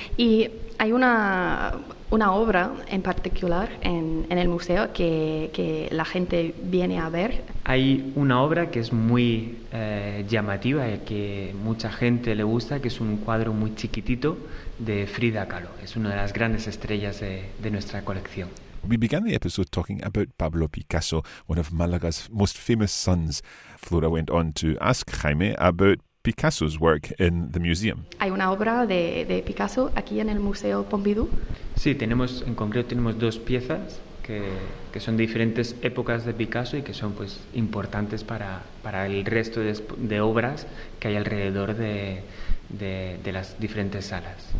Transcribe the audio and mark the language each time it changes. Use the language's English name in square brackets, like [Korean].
[Spanish] Y hay una obra en particular en el museo que la gente viene a ver. Hay una obra que es muy llamativa y que mucha gente le gusta, que es un cuadro muy chiquitito de Frida Kahlo. Es una de las grandes estrellas de nuestra colección. [English] We began the episode talking about Pablo Picasso, one of Malaga's most famous sons. Flora went on to ask Jaime about Picasso's work in the museum. [Spanish] Hay una obra de Picasso aquí en el Museo Pompidou. Sí, tenemos en concreto tenemos 2 piezas que son de diferentes épocas de Picasso y que son pues importantes para el resto de obras que hay alrededor de las diferentes salas.